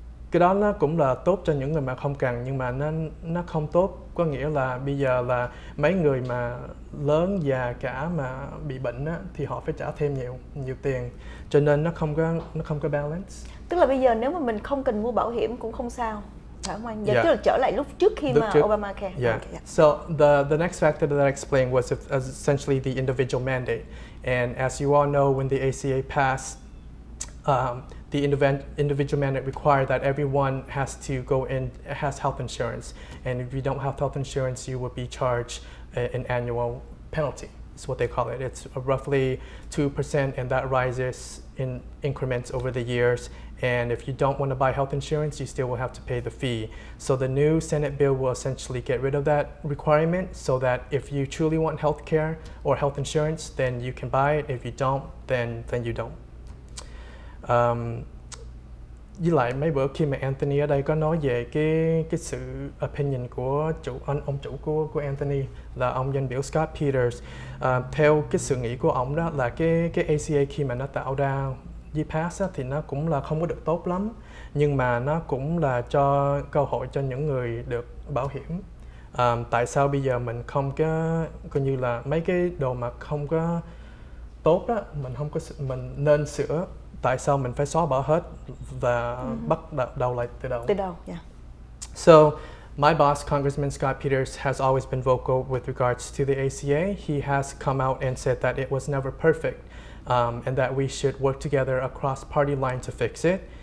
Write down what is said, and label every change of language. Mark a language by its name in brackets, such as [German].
[Vietnamese] Cái đó nó cũng là tốt cho những người mà không cần, nhưng mà nó không tốt, có nghĩa là bây giờ là mấy người mà lớn già cả mà bị bệnh á thì họ phải trả thêm nhiều tiền, cho nên nó không có balance. Tức là bây giờ nếu mà mình không cần mua bảo hiểm cũng không sao, phải không anh? Tức là trở lại lúc trước khi mà Obamacare. [English] So the next factor that I explained was essentially the individual mandate, and as you all know, when the ACA passed, the individual mandate require that everyone has to go in, has health insurance, and if you don't have health insurance, you will be charged an annual penalty. It's what they call it. It's roughly 2%, and that rises in increments over the years. And if you don't want to buy health insurance, you still will have to pay the fee. So the new Senate bill will essentially get rid of that requirement, so that if you truly want health care or health insurance, then you can buy it. If you don't, then you don't. [Vietnamese] Với lại mấy bữa khi mà Anthony ở đây có nói về cái sự opinion của chủ ông chủ của Anthony là ông danh biểu Scott Peters, theo cái sự nghĩ của ông đó là cái ACA khi mà nó tạo ra với pass á, thì nó cũng là không có được tốt lắm, nhưng mà nó cũng là cho cơ hội cho những người được bảo hiểm. Tại sao bây giờ mình không có coi như là mấy cái đồ mà không có tốt đó mình không có mình nên sửa, tại sao mình phải xóa bỏ hết và bắt đầu lại từ đầu? Từ đầu, yeah. [English] So, my boss, Congressman Scott Peters, has always been vocal with regards to the ACA. He has come out and said that it was never perfect, and that we should work together across party line to fix it.